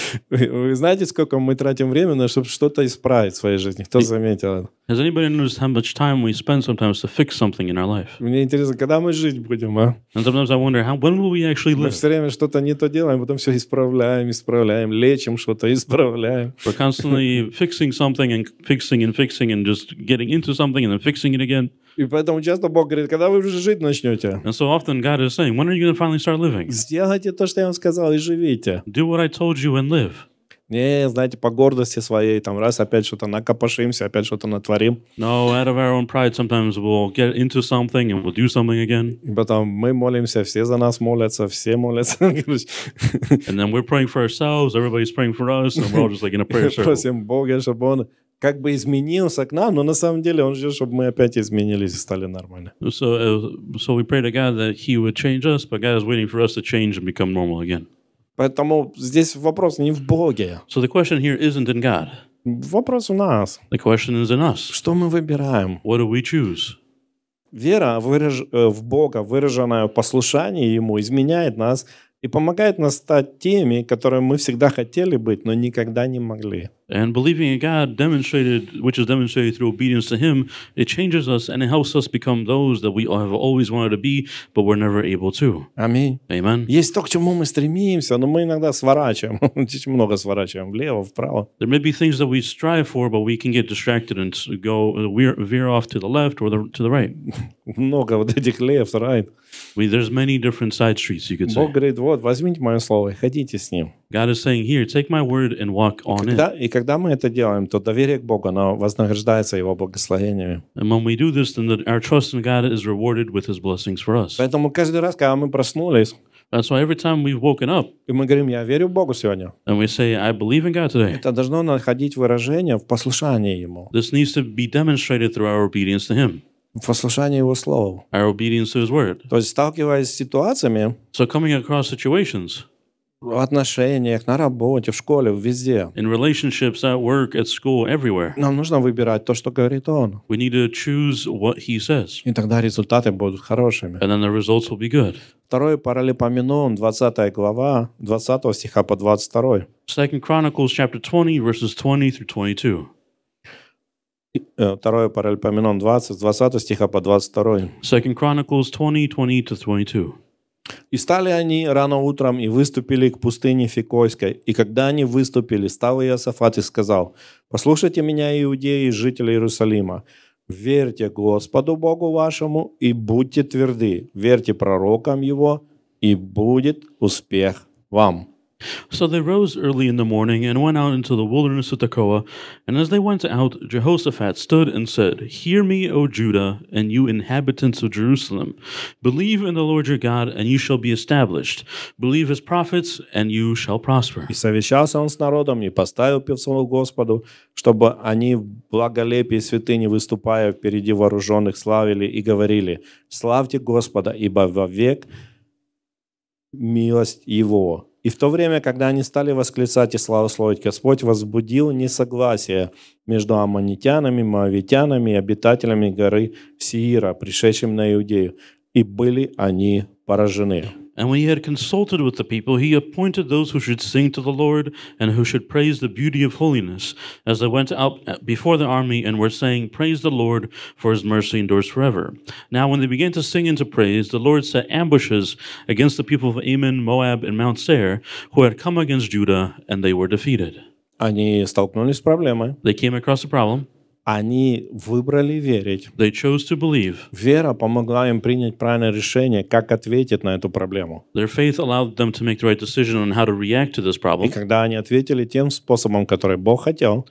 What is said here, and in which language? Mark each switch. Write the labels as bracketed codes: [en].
[ru] Вы знаете, сколько мы тратим времени, чтобы что-то исправить в своей жизни? Кто заметил это? [en] Has anybody noticed how much time we spend sometimes to fix something in our life? [ru] Мне интересно, когда мы жить будем, а? [en] And sometimes I wonder, when will we actually live? [ru] Мы все время что-то не то делаем, потом все исправляем, лечим что-то, исправляем. [en] We're constantly fixing something and fixing and just getting into something and then fixing it again. [ru] И поэтому часто Бог говорит, когда вы уже жить начнете? [en] And so often God is saying, when are you going to finally start living? [ru] Сделайте то, что я вам сказал, и живите. [en] Do what I told you and live. [ru] Не, знаете, по гордости своей, там раз опять что-то накопошимся, опять что-то натворим. [en] No, out of our own pride, sometimes we'll get into something and we'll do something again. [ru] И потом мы молимся, все за нас молятся, все молятся. [en] And then we're praying for ourselves, everybody's praying for us, and we're all just like in a prayer circle. [ru] Просим Бога, чтобы Он... как бы изменился к нам, но на самом деле Он ждет, чтобы мы опять изменились и стали нормально. [en] So we pray to God that He would change us, but God is waiting for us to change and become normal again. [ru] Поэтому здесь вопрос не в Боге. [en] So the question here isn't in God. [ru] Вопрос у нас. [en] The question is in us. [ru] Что мы выбираем? [en] What do we choose? [ru] Вера в Бога, выраженная в послушании Ему, изменяет нас И помогает нас стать теми, которыми мы всегда хотели быть, но никогда не могли. [en] And believing in God, demonstrated, which is demonstrated through obedience to Him, it changes us and it helps us become those that we have always wanted to be, but were never able to. [ru] Аминь. [en] Amen. [ru] Есть то, к чему мы стремимся, но мы иногда сворачиваем, очень много сворачиваем влево, вправо. [en] There may be things that we strive for, but we can get distracted and go veer off to the left or to the right. [ru] Много вот этих лев, [en] right? There's many different side streets, you could say. [ru] Бог говорит, вот, возьмите мое слово, ходите с ним. [en] God is saying, here, take my word and walk on it. [ru] И когда мы это делаем, то доверие к Богу, оно вознаграждается Его благословениями. [en] And when we do this, then our trust in God is rewarded with His blessings for us. [ru] Поэтому каждый раз, когда мы проснулись, [en] so every time we've woken up, [ru] и мы говорим, я верю в Богу сегодня, [en] and we say, I believe in God today, [ru] это должно находить выражение в послушании Ему. [en] This needs to be demonstrated through our obedience to Him. [ru] Послушание Его Слову. [en] Our obedience to His word. [ru] То есть, сталкиваясь с ситуациями, [en] so coming across situations, [ru] в отношениях, на работе, в школе, везде. [en] In relationships, at work, at school, everywhere. [ru] Нам нужно выбирать то, что говорит Он. [en] We need to choose what He says. [ru] И тогда результаты будут хорошими. [en] And then the results will be good. [ru] Второе Паралипоменон, 20 глава, 20 стиха по 22. [en] Second Chronicles, chapter 20, verses 20 through 22. [ru] Второе Паралипоменон, 20 стиха по 22. [en] Second Chronicles 20, 20-22. [ru] «И стали они рано утром и выступили к пустыне Фикойской. И когда они выступили, стал Иосафат и сказал, «Послушайте меня, иудеи и жители Иерусалима, верьте Господу Богу вашему и будьте тверды, верьте пророкам Его, и будет успех вам». [en] So they rose early in the morning and went out into the wilderness of Tekoa. And as they went out, Jehoshaphat stood and said, Hear me, O Judah, and you inhabitants of Jerusalem. Believe in the Lord your God, and you shall be established. Believe his prophets, and you shall prosper. [ru] И совещался он с народом, и поставил певцов Господу, чтобы они в благолепии святыни, выступая впереди вооруженных, славили и говорили, Славьте Господа, ибо вовек милость Его. И в то время, когда они стали восклицать и славословить, Господь возбудил несогласие между аммонитянами, моавитянами и обитателями горы Сеира, пришедшими на Иудею, и были они поражены. [en] And when he had consulted with the people, he appointed those who should sing to the Lord and who should praise the beauty of holiness as they went out before the army and were saying, Praise the Lord, for his mercy endures forever. Now when they began to sing and to praise, the Lord set ambushes against the people of Ammon, Moab, and Mount Seir, who had come against Judah, and they were defeated. [ru] Они столкнулись с проблемой. [en] They came across a problem. [ru] Они выбрали верить. [en] They chose to believe. [ru] Вера помогла им принять правильное решение, как ответить на эту проблему. [en] Their faith allowed them to make the right decision on how to react to this problem. [ru] И когда они ответили тем способом, который Бог хотел,